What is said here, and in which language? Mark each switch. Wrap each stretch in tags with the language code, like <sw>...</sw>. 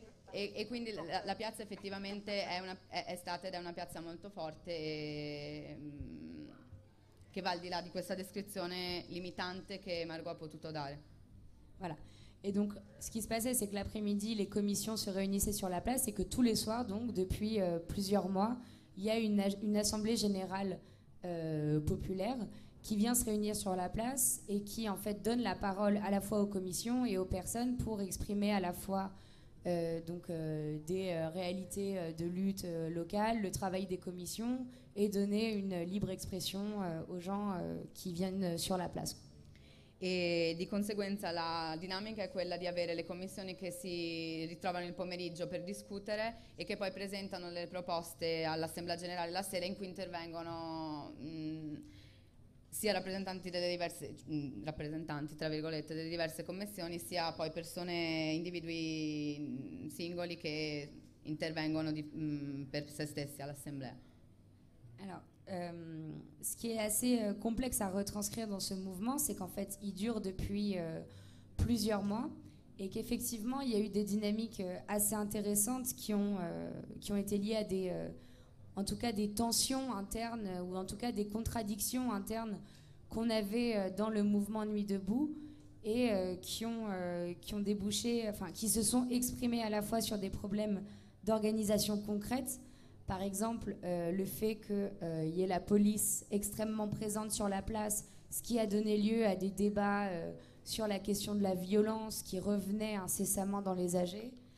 <it>e quindi la piazza effettivamente è stata una piazza molto forte e che va al di là di questa descrizione limitante che Margot ha potuto dare.</it> <fr>Voilà. Et donc ce qui se passait c'est que l'après-midi les commissions se réunissaient sur la place et que tous les soirs donc depuis plusieurs mois, il y a une assemblée générale populaire qui vient se réunir sur la place et qui en fait donne la parole à la fois aux commissions et aux personnes pour exprimer à la fois des réalités de lutte locale, le travail des commissions et donner une libre expression aux gens qui viennent sur la place.</fr> <it>E di conseguenza la dinamica è quella di avere le commissioni che si ritrovano il pomeriggio per discutere e che poi presentano le proposte all'Assemblea Generale la sera in cui intervengono sia rappresentanti delle diverse rappresentanti tra virgolette delle diverse commissioni, sia poi persone, individui singoli che intervengono per se stessi all'assemblea.</it> <fr>Alors, ce qui est assez complexe à retranscrire dans ce mouvement, c'est qu'en fait, il dure depuis plusieurs mois et qu'effectivement, il y a eu des dynamiques assez intéressantes qui ont été liées à des en tout cas des tensions internes ou en tout cas des contradictions internes qu'on avait dans le mouvement Nuit Debout et qui ont débouché, enfin qui se sont exprimées à la fois sur des problèmes d'organisation concrète, par exemple le fait qu'il y ait la police extrêmement présente sur la place, ce qui a donné lieu à des débats sur la question de la violence qui revenait incessamment dans les AG,</fr>